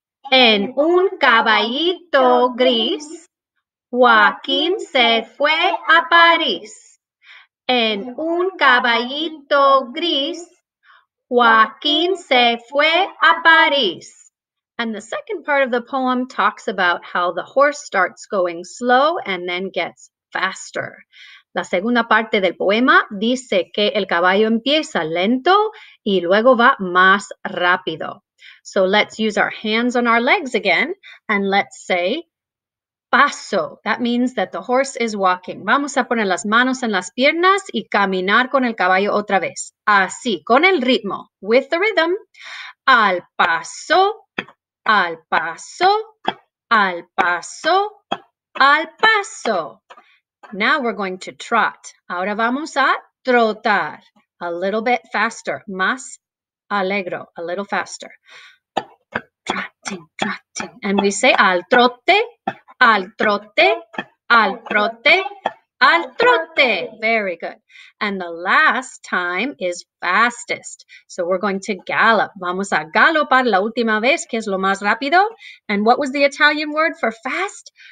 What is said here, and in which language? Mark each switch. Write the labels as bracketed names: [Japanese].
[Spanish] En un caballito gris, Joaquín se fue a París. En un caballito gris, Joaquín se fue a París. [English] And the second part of the poem talks about how the horse starts going slow and then gets faster. [Spanish] La segunda parte del poema dice que el caballo empieza lento y luego va más rápido. [English] So let's use our hands on our legs again and let's say paso. That means that the horse is walking. [Spanish] Vamos a poner las manos en las piernas y caminar con el caballo otra vez. Así, con el ritmo, [English] with the rhythm, [Spanish] al paso. Al paso, al paso, al paso. [English] Now we're going to trot. [Spanish] Ahora vamos a trotar. [English] A little bit faster. [Spanish] Más alegro. [English] A little faster. Trotting, trotting. And we say [Spanish] al trote, al trote, [English] al trote, al trote. Very good. And the last time is fastest. So we're going to gallop. [Spanish] Vamos a galopar la última vez, que es lo más rápido. [English] And what was the Italian word for fast?